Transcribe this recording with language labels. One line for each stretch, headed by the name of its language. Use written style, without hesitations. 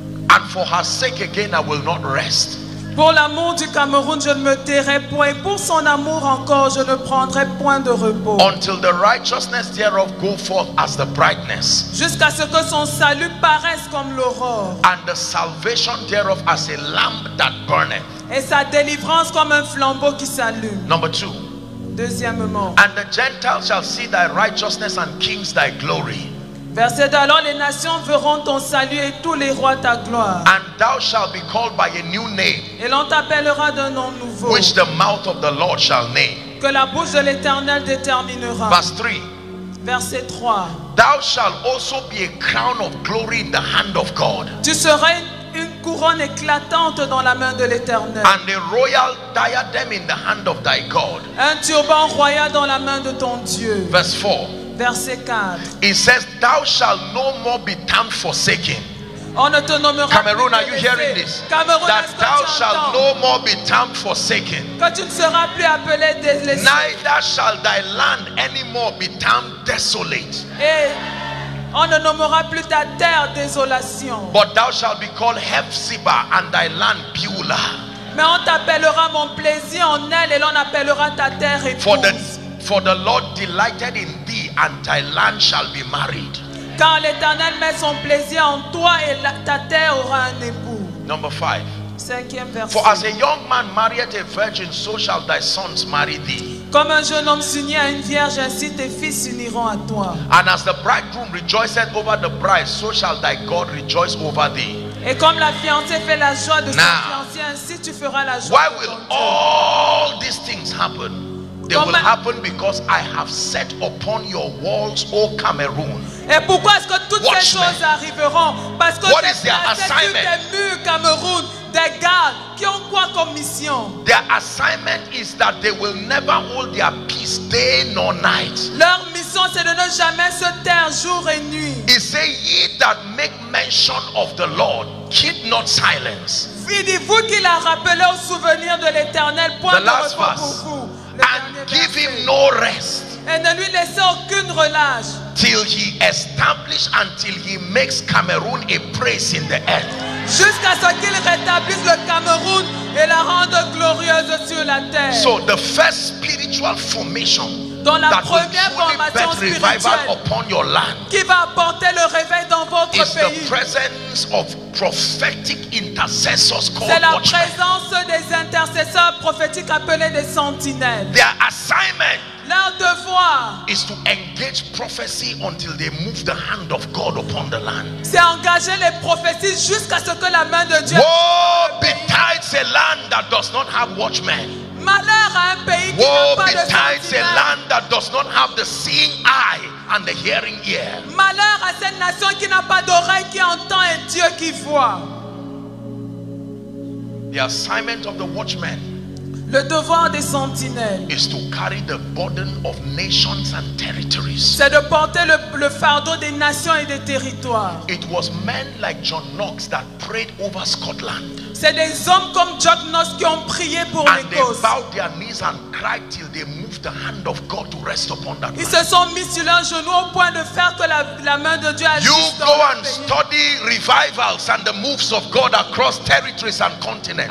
English: And for her sake again, I will not rest.
French: Pour l'amour du Cameroun, je ne me tairai point. Pour son amour encore, je ne prendrai point de repos.
English: Until the righteousness thereof go forth as the brightness.
French: Jusqu'à ce que son salut paraisse comme l'aurore.
English: And the salvation thereof as a lamp that burneth.
French: Et sa délivrance comme un flambeau qui s'allume.
English: Number two.
French: Deuxièmement.
English: And the Gentiles shall see thy righteousness and kings thy glory.
French: Verset 2, alors les nations verront ton salut et tous les rois ta gloire.
English: And thou shalt be called by a new name.
French: Et l'on t'appellera d'un nom nouveau.
English: Which the mouth of the Lord shall name.
French: Que la bouche de l'Éternel déterminera.
English: Verse 3.
French: Verset 3.
English: Thou shalt also be a crown of glory in the hand of God.
French: Tu seras une couronne éclatante dans la main de l'Éternel.
English: And a royal diadem in the hand of thy God.
French: Un turban royal dans la main de ton Dieu.
English: Verse 4.
French: Verset 4.
English: It says, thou shalt no more be termed forsaken.
French: On ne te nommera plus.
English: Cameroon, are you hearing this? Cameroon, that thou shalt no more be termed forsaken.
French: Que tu ne seras plus appelé délaissé.
English: Neither shall thy land anymore be termed desolate.
French: Et on ne nommera plus ta terre désolation.
English: But thou shalt be called Hephzibah and thy land Beulah.
French: Mais on t'appellera mon plaisir en elle et l'on appellera ta terre épouse.
English: For the Lord delighted in thee. And thy land shall be married.
French: Car l'Éternel met son plaisir en toi et ta terre aura un époux.
English: Number 5.
French: Cinquième verset.
English: For as a young man marrieth a virgin, so shall thy sons marry thee.
French: Comme un jeune homme s'unit à une vierge, ainsi tes fils s'uniront à toi.
English: And as the bridegroom rejoiceth over the bride, so shall thy God rejoice over thee.
French: Et comme la fiancée fait la joie de son fiancé, ainsi tu feras la joie.
English: Why will all these things happen? They will happen because I have set upon your walls, O Cameroon.
French: Et pourquoi est-ce que toutes ces choses arriveront? Parce que
English: what is their assignment?
French: Des murs, Cameroun, des gardes, qui ont quoi comme mission?
English: Their assignment is that they will never hold their peace day nor night.
French: Leur mission c'est de ne jamais se taire jour et nuit.
English: He say, ye that make mention of the Lord, keep not silence.
French: Dites-vous qu'il a rappelé au souvenir de l'Éternel, point de repos pour vous.
English: And give him no rest.
French: Et ne lui laissez aucune relâche.
English: Till he establish, until he makes Cameroon a praise in the earth.
French: Jusqu'à ce qu'il rétablisse le Cameroun et la rende glorieuse sur la terre.
English: So the first spiritual formation.
French: dans la première formation spirituelle qui va apporter le réveil dans votre pays. C'est la présence des intercesseurs prophétiques appelés des sentinelles.
English: Their assignment,
French: leur devoir,
English: is to engage prophecy until they move the hand of God upon the land.
French: C'est engager les prophéties jusqu'à ce que la main de Dieu.
English: Woe betides a land that does not have watchmen.
French: Malheur à un pays qui n'a pas de sentinelles.
English: Woe betides a land that does not have the seeing eye and the hearing ear.
French: Malheur à cette nation qui n'a pas d'oreille qui entend et Dieu qui voit.
English: The assignment of the watchmen.
French: Le devoir des sentinelles.
English: Is to carry the burden of nations and territories.
French: C'est de porter le fardeau des nations et des territoires.
English: It was men like John Knox that prayed over Scotland.
French: C'est des hommes comme John Knox qui ont prié pour l'Écosse.
English: And they bowed their knees and cried till they moved the hand of God to rest upon that.
French: Ils se sont mis sur leurs genoux au point de faire que la main de Dieu agisse.
English: You go and study revivals and the moves of God across territories and continents.